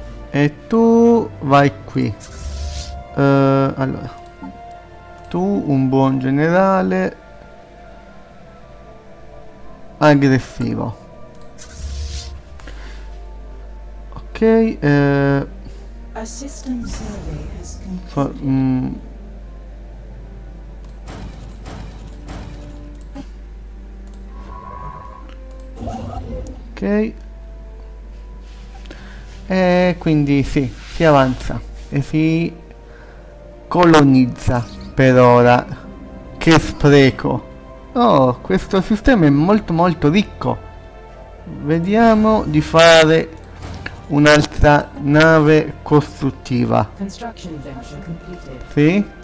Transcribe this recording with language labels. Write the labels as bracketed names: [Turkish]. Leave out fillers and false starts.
[Italian] E tu vai qui. Allora, tu un buon generale aggressivo. Ok, [English] A system survey has concluded. [Italian] Ok. E quindi sì, si avanza e si colonizza per ora. Che spreco. Oh, questo sistema è molto molto ricco. Vediamo di fare un'altra nave costruttiva. Sì, [English] Construction venture completed.